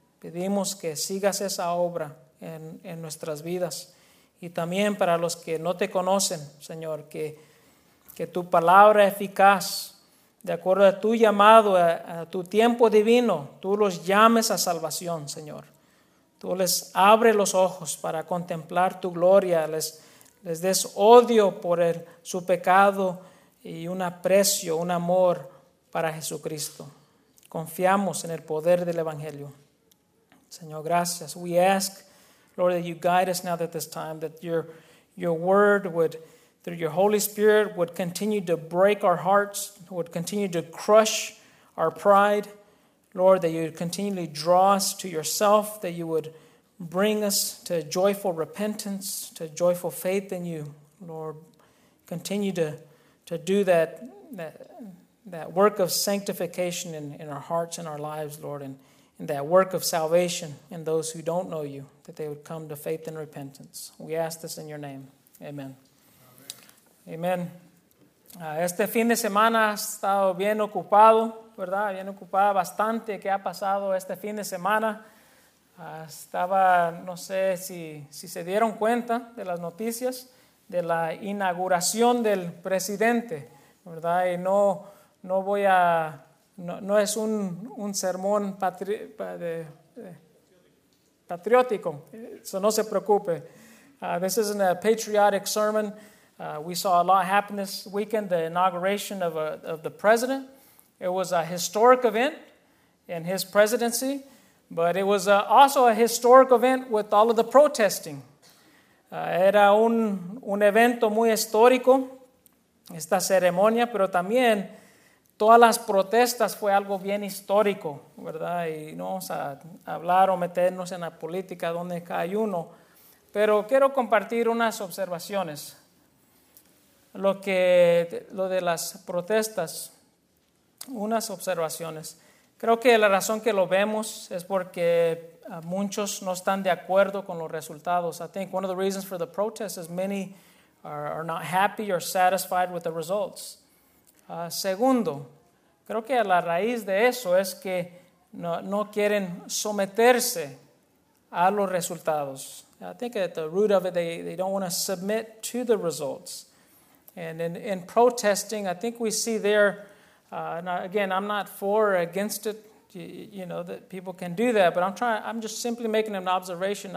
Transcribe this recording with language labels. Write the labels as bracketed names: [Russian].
[Spanish] Pedimos que sigas esa obra en nuestras vidas y también para los que no te conocen, Señor, que tu palabra eficaz, de acuerdo a tu llamado, a tu tiempo divino, tú los llames a salvación, Señor. Tú les abres los ojos para contemplar tu gloria, les des odio por su pecado y un aprecio, un amor para Jesucristo. Confiamos en el poder del Evangelio. Señor, gracias. [English] We ask, Lord, that you guide us now at this time, that your word would, through your Holy Spirit, would continue to break our hearts, would continue to crush our pride. Lord, that you would continually draw us to yourself, that you would bring us to joyful repentance, to joyful faith in you. Lord, continue to do that work of sanctification in our hearts and our lives, Lord, and that work of salvation in those who don't know you, that they would come to faith and repentance. We ask this in your name. Amen. Amen. [Spanish] Este fin de semana ha estado bien ocupado, ¿verdad? Bien ocupada bastante. ¿Qué ha pasado este fin de semana? Estaba, no sé si se dieron cuenta de las noticias de la inauguración del presidente, ¿verdad? Y no es un sermón patriótico, so no se preocupe. [English] This isn't a patriotic sermon. We saw a lot happen this weekend, the inauguration of the president. It was a historic event in his presidency, but it was also a historic event with all of the protesting. [Spanish] Era un evento muy histórico, esta ceremonia, pero también todas las protestas fue algo bien histórico, ¿verdad? Y no vamos a hablar o meternos en la política donde cae uno, pero quiero compartir unas observaciones. Lo de las protestas, unas observaciones. Creo que la razón que lo vemos es porque muchos no están de acuerdo con los resultados. [English] I think one of the reasons for the protests is many are not happy or satisfied with the results. [Spanish] Segundo, creo que la raíz de eso es que no quieren someterse a los resultados. [English] I think at the root of it, they don't want to submit to the results. And in protesting, I think we see there, again, I'm not for or against it, you know, that people can do that, but I'm just simply making an observation.